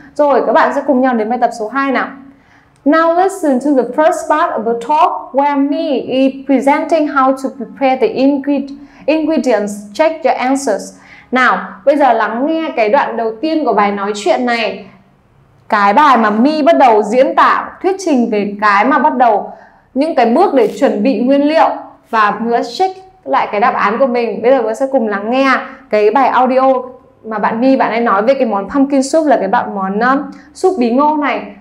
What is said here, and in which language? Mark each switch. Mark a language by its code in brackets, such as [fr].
[vi] Rồi các bạn sẽ cùng nhau đến bài tập số 2 nào. [en] Now listen to the first part of the talk where me is presenting how to prepare the ingredients. Check your answers. [vi] Nào, bây giờ lắng nghe cái đoạn đầu tiên của bài nói chuyện này. Cái bài mà My bắt đầu diễn tả, thuyết trình về cái mà bắt đầu những cái bước để chuẩn bị nguyên liệu và check, lại cái đáp án của mình. Bây giờ mình sẽ cùng lắng nghe cái bài audio mà bạn Vi bạn ấy nói về cái món pumpkin soup, là cái món súp bí ngô này.